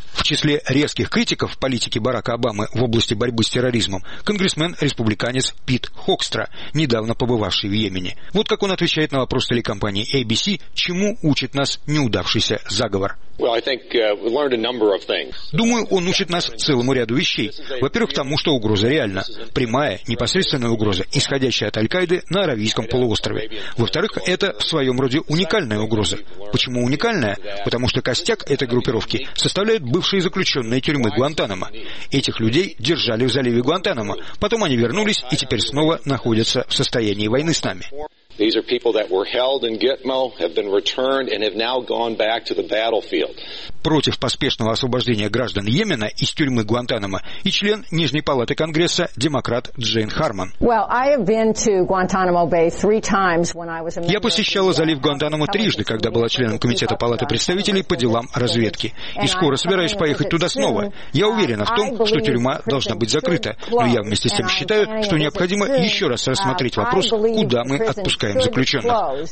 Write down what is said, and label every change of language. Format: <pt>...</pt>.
<ru>В числе резких критиков политики Барака Обамы в области борьбы с терроризмом конгрессмен-республиканец Пит Хокстра, недавно побывавший в Йемене. Вот как он отвечает на вопрос телекомпании ABC, чему учит нас неудавшийся заговор.</ru> <en>Well, I think, we learned a number of things.</en> <ru>Думаю, он учит нас целому ряду вещей. Во-первых, тому, что угроза реальна. Прямая, непосредственная угроза, исходящая от Аль-Каиды на Аравийском полуострове. Во-вторых, это в своем роде уникальная угроза. Почему уникальная? Потому что костяк этой группировки составляют бывшие заключенные тюрьмы Гуантанамо. Этих людей держали в заливе Гуантанамо. Потом они вернулись и теперь снова находятся в состоянии войны с нами.</ru> <en>These are people that were held in Gitmo, have been returned, and have now gone back to the battlefield.</en> <ru>Против поспешного освобождения граждан Йемена из тюрьмы Гуантанамо и член Нижней палаты Конгресса, демократ Джейн Харман.</ru> <en>Well, I have been to Guantanamo Bay 3 times when I was a member.</en> <ru>Я посещала залив Гуантанамо</ru> <en>3 times,</en> <ru>когда была членом Комитета палаты представителей по делам разведки. И скоро собираюсь поехать туда снова. Я уверена в том, что тюрьма должна быть закрыта. Но я вместе с тем считаю, что необходимо еще раз рассмотреть вопрос, куда мы отпускаем заключенных.</ru>